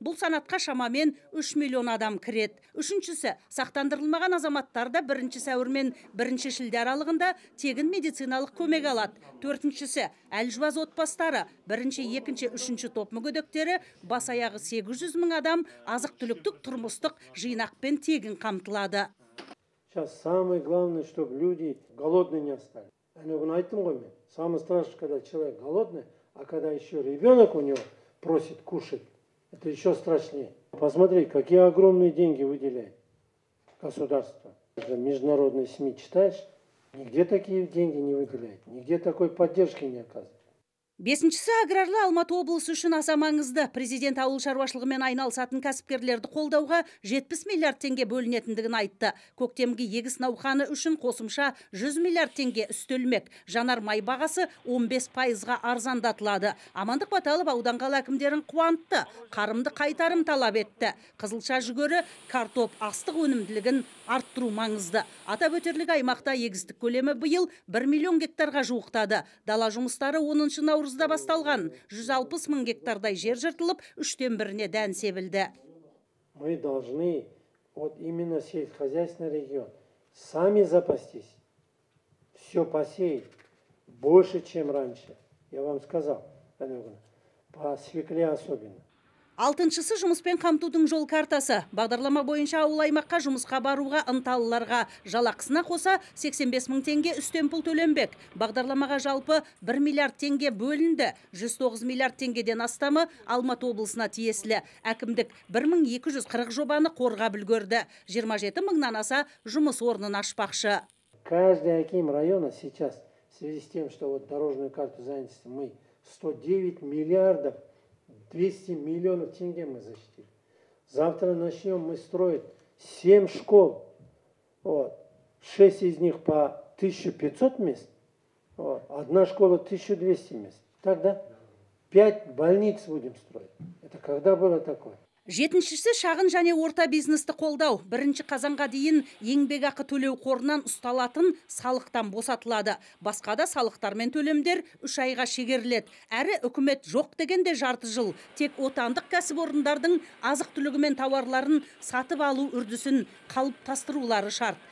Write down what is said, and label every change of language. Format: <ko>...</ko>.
<kk>Бұл санатқа шамамен 3 миллион адам кірет. Үшіншісі, сақтандырылмаған азаматтарда 1 сәуір мен 1 шілде аралығында тегін медициналық көмек алады. Төртіншісі, әлжуаз отбастары, 1, 2, 3 топ мүгедектері, бас аяғы 800 мың адам азық түліктік тұрмыстық жинақпен тегін қамтылады.</kk> <ru>Сейчас самое главное, чтобы люди голодные не остались.</ru> <kk>Әне бұны айттым ғой мен.</kk> <ru>Самое страшное, когда человек голодный, а когда еще ребенок у него просит кушать, это еще страшнее. Посмотри, какие огромные деньги выделяет государство. Это международные СМИ читаешь, нигде такие деньги не выделяет, нигде такой поддержки не оказывает.</ru> <kk>Бесіншісі, аграрлы Алматы облысы үшін аса маңызды. Президент ауыл шаруашылығымен айналысатын кәсіпкерлерді қолдауға 70 миллиард теңге бөлінетіндігін айтты. Көктемгі егіс науқаны үшін қосымша 100 миллиард теңге үстелмек. Жанар май бағасы 15%-ға арзандатылады. Амандық Баталов аудан қала әкімдерін қуантты, қарымды қайтарым талап етті. Қызылша жүгері, картоп, астық өнімділігін арттыру маңызды. Атап өтерлік, аймақта егістік көлемі биыл 1 миллион гектарға жуықтады. Дала жұмыстары 10-шы наурызда басталған, 160 мың гектардай жер жыртылып, 1/3-іне дән себілді.</kk> <ru>Мы должны вот именно сельскохозяйственный регион сами запастись, все посеять больше, чем раньше. Я вам сказал, по свекле особенно.</ru> <kk>6-шысы жұмыспен қамтудың жол картасы. Бағдарлама бойынша ауыл аймаққа жұмысқа баруға ынталыларға жалақысына қоса 85 000 тенге үстемпұл төленбек. Бағдарламаға жалпы 1 миллиард тенге бөлінді. 109 миллиард тенгеден астамы Алматы облысына тиесілі. Әкімдік 1240 жобаны қорға білгерді. 27 000-нан аса жұмыс орнын ашпақшы.</kk> <ru>Каждый аким района сейчас, в связи с тем, что вот дорожную карту занятости мы 109 миллиардов 200 миллионов тенге мы защитили. Завтра начнем мы строить 7 школ, вот, 6 из них по 1500 мест, вот, одна школа 1200 мест. Тогда 5 больниц будем строить. Это когда было такое?</ru> <kk>7-шісі шағын және орта бизнесті қолдау. 1-ші қазанға дейін еңбекақы төлеу қорынан ұсталатын салықтан босатылады. Басқа да салықтармен төлемдер 3 айға шегерілет. Әрі үкімет жоқ дегенде жарты жыл. Тек отандық кәсіпорындардың азық түлігімен тауарларын сатып алу үрдісін қалыптастырулары шарт.</kk>